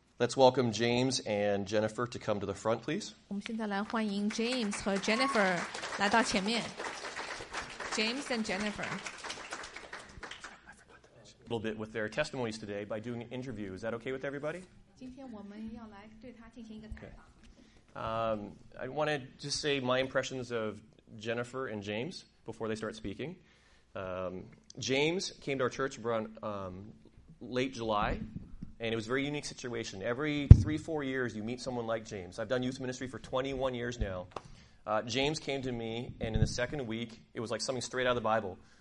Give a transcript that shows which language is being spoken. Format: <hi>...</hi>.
<en>Let's welcome James and Jennifer to come to the front, please.</en> <zh>我们现在来欢迎 James 和 Jennifer 来到前面。James and Jennifer.</zh> <en>A little bit with their testimonies today by doing an interview. Is that okay with everybody?</en> <zh>今天我们要来对他进行一个采访。</zh> <en>I want to just say my impressions of Jennifer and James before they start speaking. James came to our church around late July. And it was a very unique situation. Every 3-4 years, you meet someone like James. I've done youth ministry for 21 years now. James came to me, and in the second week, it was like something straight out of the Bible.</en>